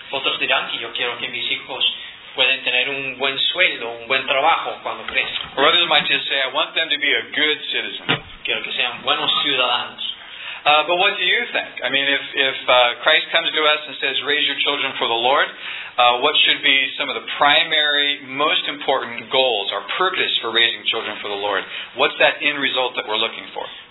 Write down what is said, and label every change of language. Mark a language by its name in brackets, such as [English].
[Spanish] Otros dirán que yo quiero que mis hijos pueden tener un buen sueldo, un buen trabajo cuando crezcan. [English] Or others might just say, I want them to be a good citizen. [Spanish] Quiero que sean buenos ciudadanos. [English] But what do you think? I mean, if Christ comes to us and says, raise your children for the Lord, what should be some of the primary, most important goals, our purpose for raising children for the Lord? What's that end result that we're looking for?